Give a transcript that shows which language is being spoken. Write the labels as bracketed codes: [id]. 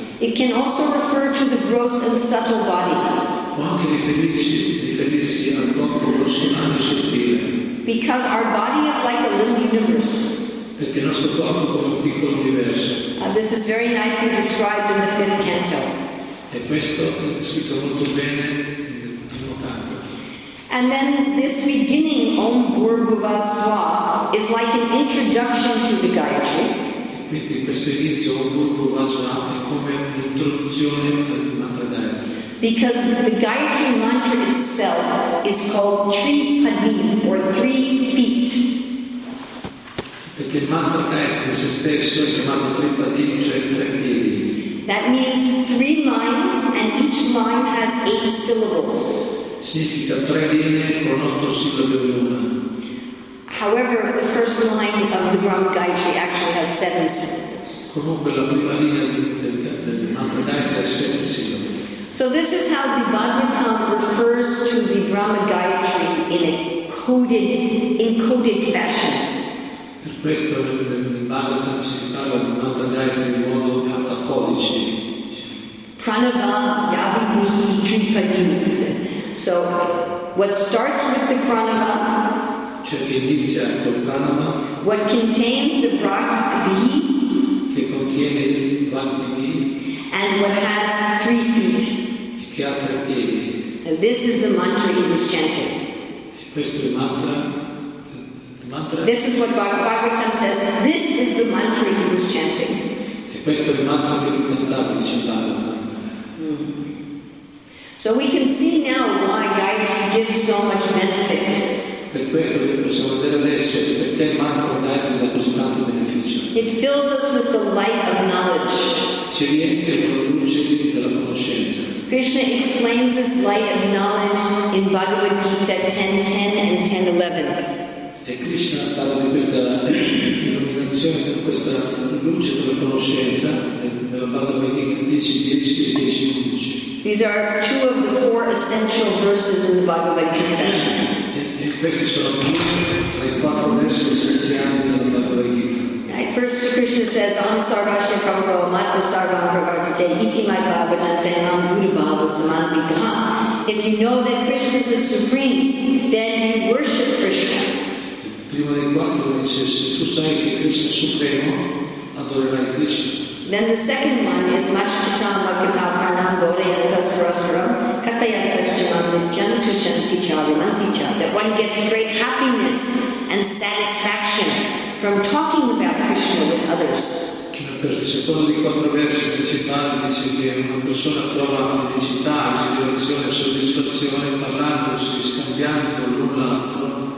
[en] It can also refer to the gross and subtle body. [it] può anche riferirsi al corpo personale sottile. [en] Because our body is like a little universe. [it] Perché il nostro corpo è come un piccolo universo. [en] This is very nicely described in the fifth canto. [it] E questo è descritto molto bene nell'ultimo canto. [en] And then this beginning, Om Bhurbhuvah Svaha, is like an introduction to the Gayatri. [it] Quindi questo inizio, Om Bhurbhuvah Svaha, è come un'introduzione al mantra Gayatri. [en] Because the Gayatri mantra itself is called Tripadim, or 3 feet. [it] Perché il mantra Gayatri se stesso è chiamato Tripadim, cioè 3 piedi. [en] That means 3 lines, and each line has 8 syllables. [it] Significa 3 linee con 8 sillabe ognuna. [en] However, the first line of the Brahma Gayatri actually has 7 syllables. [it] Comunque la prima linea del mantra Gayatri ha 7 sillabe. [en] So this is how the Bhagavatam refers to the Brahma Gayatri in a encoded fashion. [it] Per questo nel Bhagavatam si parla di mantra Gayatri in modo a codice. [sa] Pranava yabhi tripadim. [en] So what starts with the pranava? [it] Cioè che inizia col pranava. [en] What contains the vrahi? [it] Che contiene il vrahi. [en] And what has 3 feet? [it] Che ha 3 piedi. [en] And this is the mantra he was chanting. [it] Questo è il mantra. [en] This is what Bhagavatam says. This is the mantra he was chanting. [it] E questo è il mantra che lui cantava, dice Bhagavatam. [en] So we can see now why Gayatri gives so much benefit. [it] Per questo che possiamo vedere adesso perché il mantra Gayatri dà così tanto beneficio. [en] It fills us with the light of knowledge. [it] Ci riempie con la luce della conoscenza. [en] Krishna explains this light of knowledge in Bhagavad Gita 10.10 and 10.11. [it] E Krishna parla di questa illuminazione, di questa luce della conoscenza nella Bhagavad Gita 10.10 e 10.11. [en] These are 2 of the 4 essential verses in the Bhagavad Gita. [it] E questi sono 2 tra i 4 versi essenziali della Bhagavad Gita. [en] Right. First Krishna says, [sa] Aham Sarvasya Prabhupada Mata Sarvam Pravartite Iti Mai Bhagavatate Aham Buddha Bhava Samadhi. [en] If you know that Krishna is the Supreme, then you worship Krishna. [it] Prima dei 4 dice, se tu sai che Krishna è Supremo, adorerai Krishna. [en] Then the second one is [sa] much chitam bhakita pranam bodhi yantas prasparam katayantas jamanjan to shanti chavimanti cha. [en] That one gets great happiness and satisfaction from talking about Krishna with others. [it] Per il secondo dei 4 versi principali dice che una persona trova felicità, esilarazione, soddisfazione parlandosi, scambiando l'un l'altro.